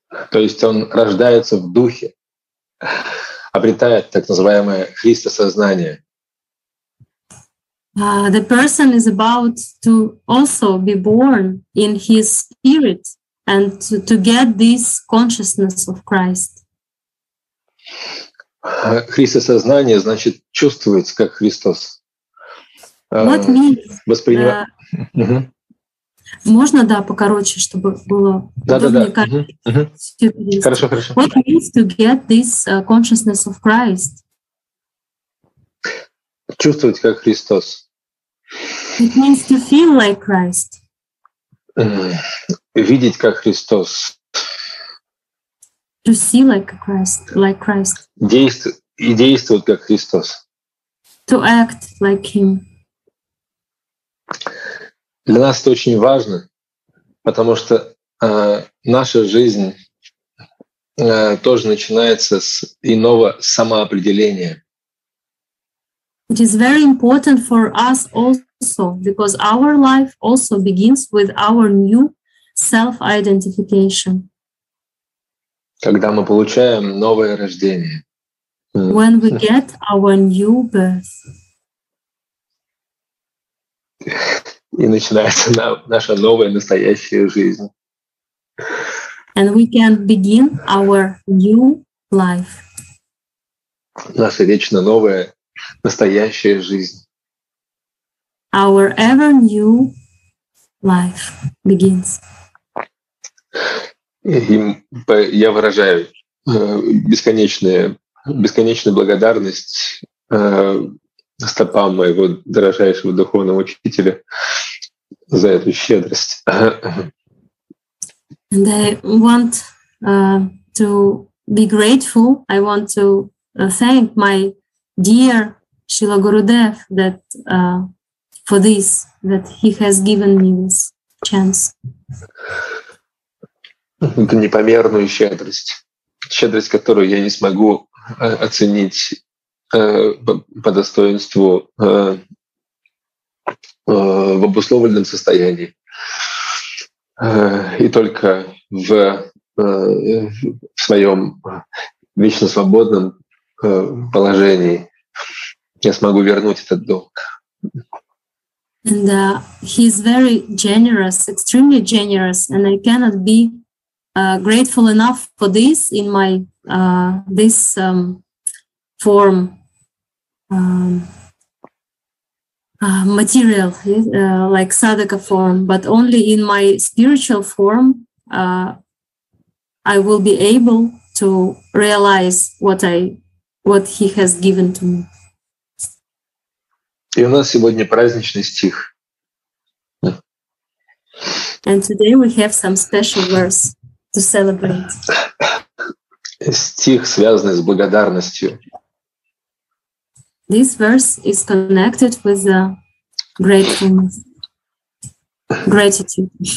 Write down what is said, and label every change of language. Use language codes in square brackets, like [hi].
[ru] То есть он рождается в духе. Обретает так называемое Христосознание. [en] The person is about to also be born in his spirit and to get this consciousness of Christ. [ru] Христосознание значит чувствовать, как Христос. [en] What means? [ru] Воспринимать. Можно, да, покороче, чтобы было удобнее. Хорошо. [en] What means to get this consciousness of Christ? [ru] Чувствовать как Христос. [en] It means to feel like Christ. [ru] Видеть как Христос. [en] To see like Christ. [ru] Действовать как Христос. [en] To act like Him. [ru] Для нас это очень важно, потому что наша жизнь тоже начинается с иного самоопределения. [en] It is very important for us also, because our life also begins with our new self-identification. [ru] Когда мы получаем новое рождение. [en] When we get our new birth. [ru] И начинается наша новая настоящая жизнь. [en] And we can begin our new life. [ru] Наша вечно новая настоящая жизнь. [en] Our ever new life begins. [ru] Я выражаю бесконечную благодарность стопам моего дорожайшего духовного учителя. За эту щедрость. [en] And I want to be grateful. I want to thank my dear Srila Gurudev that for this, that he has given me this chance. [ru] Это непомерную щедрость. Щедрость, которую я не смогу оценить по достоинству. В обусловленном состоянии. И только в своем вечно свободном положении я смогу вернуть этот долг. [en] And he is very generous, extremely generous, and I cannot be grateful enough for this in my this form. material, like sadaka form, but only in my spiritual form I will be able to realize what he has given to me. [ru] И у нас сегодня праздничный стих. [en] And today we have some special verse to celebrate. [ru] Стих, связанный с благодарностью. [en] This verse is connected with the gratefulness, gratitude.